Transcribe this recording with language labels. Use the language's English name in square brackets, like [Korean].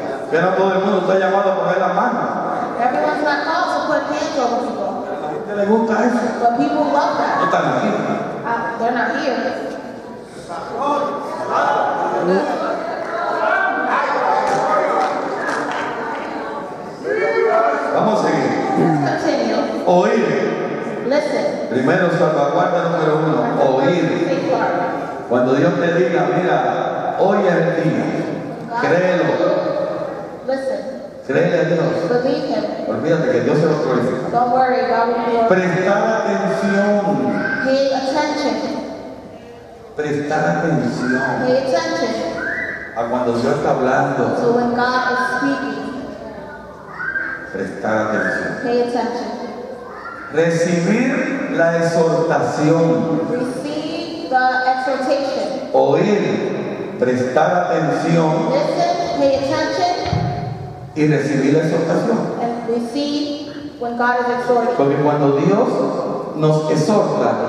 [Spanish] Que no todo el mundo está llamado a poner las manos. [English] Everyone's not called to put hands on people. [Spanish] ¿A la gente le gusta eso? [English] But people love that. [Spanish] No están aquí. [English] They're not here. [Spanish] Vamos a seguir. [English] Let's continue. [Spanish] Oír. [English] Listen. [Spanish] Primero salvaguarda número uno. Oír. Cuando Dios te diga, mira, hoy es el día. Créelo. Créele a Dios. [English] Believe him. [Spanish] Olvídate que Dios se lo glorifica. [English] Don't worry, God will be your... [Spanish] Prestar atención. [English] Pay attention. [Spanish] Prestar atención. [English] Pay attention. [Spanish] A cuando Dios está hablando. [English] So when God is speaking. [Spanish] Prestar atención. [English] Pay attention. [Spanish] Recibir la exhortación. [English] Receive the exhortation. [Spanish] Oír. Prestar atención. [English] Listen, pay attention. [Spanish] Y recibir la exhortación. [English] And receive when God is exhorting. [Spanish] Porque cuando Dios nos exhorta,